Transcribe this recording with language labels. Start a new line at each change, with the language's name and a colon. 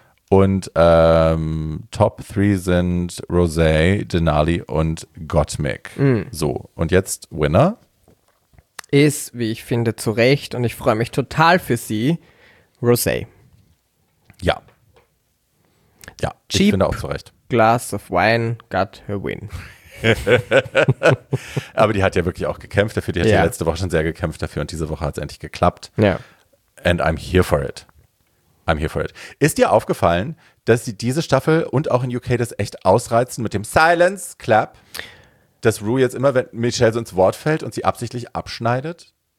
German: Und Top 3 sind Rosé, Denali und Gottmik. So, und jetzt Winner. Ist, wie ich finde, zu Recht und ich freue mich total für sie, Rosé. Ja. Ja,
English: cheap
German: ich finde auch zu Recht.
English: Glass of Wine got her win.
German: Aber die hat ja wirklich auch gekämpft dafür. Die hat ja letzte Woche schon sehr gekämpft dafür und diese Woche hat es endlich geklappt. Ja.
English: And I'm here for it. I'm here for it.
German: Ist dir aufgefallen, dass sie diese Staffel und auch in UK das echt ausreizen mit dem Silence Clap? Dass Rue jetzt immer, wenn Michelle so ins Wort fällt und sie absichtlich abschneidet?